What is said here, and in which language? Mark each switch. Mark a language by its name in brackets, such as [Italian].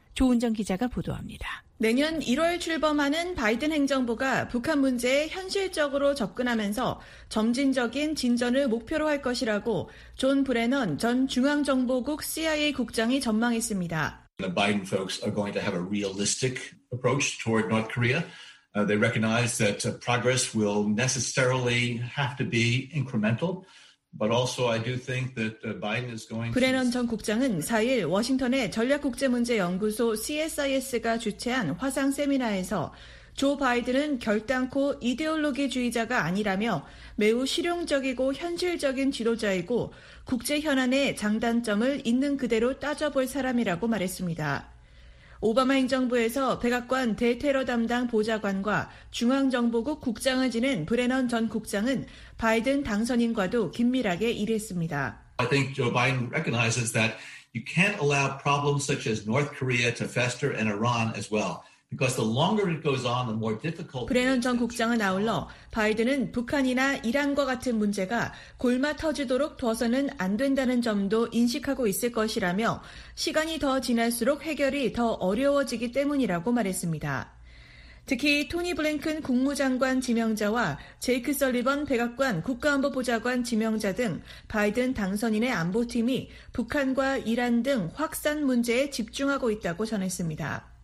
[Korean] 조은정 기자가 보도합니다. 내년 1월 출범하는 바이든 행정부가 북한 문제에 현실적으로 접근하면서 점진적인 진전을 목표로 할 것이라고 존 브래넌 전 중앙정보국 CIA 국장이 전망했습니다. [English] The Biden folks are going to have a realistic approach toward North Korea. They recognize that progress will necessarily have to be incremental, but also I do think that Biden is going to. [Korean] 브래넌 전 국장은 4일 워싱턴의 전략국제문제연구소 CSIS가 주최한 화상 세미나에서 조 바이든은 결단코 이데올로기주의자가 아니라며 매우 실용적이고 현실적인 지도자이고 국제 현안의 장단점을 있는 그대로 따져볼 사람이라고 말했습니다. 오바마 행정부에서 백악관 대테러 담당 보좌관과 중앙정보국 국장을 지낸 브래넌 전 국장은 바이든 당선인과도 긴밀하게 일했습니다. [English] I think Joe Biden recognizes that you can't allow problems such as North Korea to fester and Iran as well. Because the longer it goes on, the more difficult. [Korean] 브래넌 전 국장은 아울러 바이든은 북한이나 이란과 같은 문제가 골마 터지도록 둬서는 안 된다는 점도 인식하고 있을 것이라며 시간이 더 지날수록 해결이 더 어려워지기 때문이라고 말했습니다. 특히 토니 블링컨 국무장관 지명자와 제이크 설리번 백악관 국가안보보좌관 지명자 등 바이든 당선인의 안보팀이 북한과 이란 등 확산 문제에 집중하고 있다고 전했습니다.